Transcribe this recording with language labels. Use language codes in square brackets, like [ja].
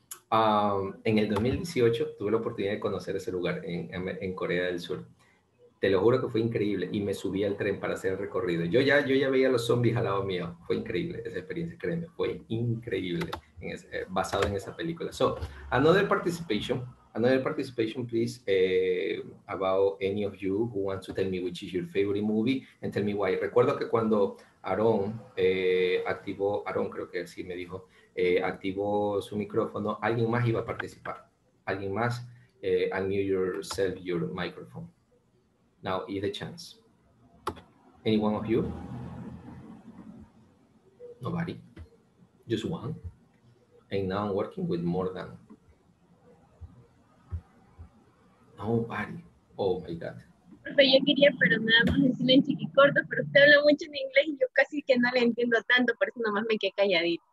[es] En el 2018 tuve la oportunidad de conocer ese lugar en Corea del Sur. Te lo juro que fue increíble, y me subí al tren para hacer el recorrido. Yo ya veía los zombies al lado mío. Fue increíble esa experiencia, créeme, fue increíble basado en esa película. [en] So, another participation, please, about any of you who wants to tell me which is your favorite movie and tell me why. [es] Recuerdo que cuando Aaron activó su micrófono, alguien más iba a participar. Alguien más, [en] unmute yourself, your microphone. Now is the chance. Any one of you? Nobody? Just one? And now I'm working with more than... Nobody. Oh my God. [es] Profe, yo quería, pero nada más decirle en chiquicorto, pero usted habla mucho en inglés y yo casi que no le entiendo tanto, por eso nomás me quedé calladito.